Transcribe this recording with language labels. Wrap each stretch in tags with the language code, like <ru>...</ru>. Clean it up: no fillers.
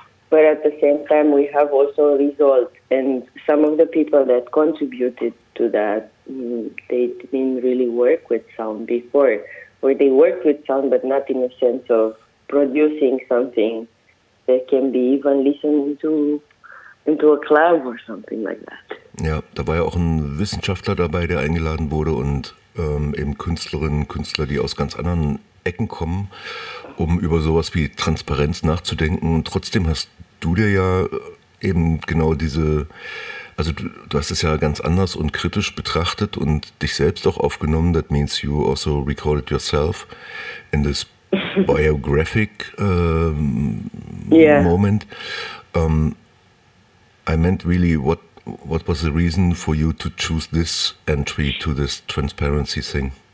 <en>But at the same time, we have also a result, and some of the people that contributed to that, they didn't really work with sound before, or they worked with sound, but not in a sense of producing something that can be even listened to into a club or something like that.</en> <de>Ja, da war ja auch ein Wissenschaftler dabei, der eingeladen wurde und eben Künstlerinnen und Künstler, die aus ganz anderen Ecken kommen, um über sowas wie Transparenz nachzudenken. Und trotzdem hast du dir ja eben genau diese, also du hast es ja ganz anders und kritisch betrachtet und dich selbst auch aufgenommen.</de> <en>That means you also recorded yourself in this biographic moment. I meant really what was the reason for you to choose this entry to this transparency thing?</en>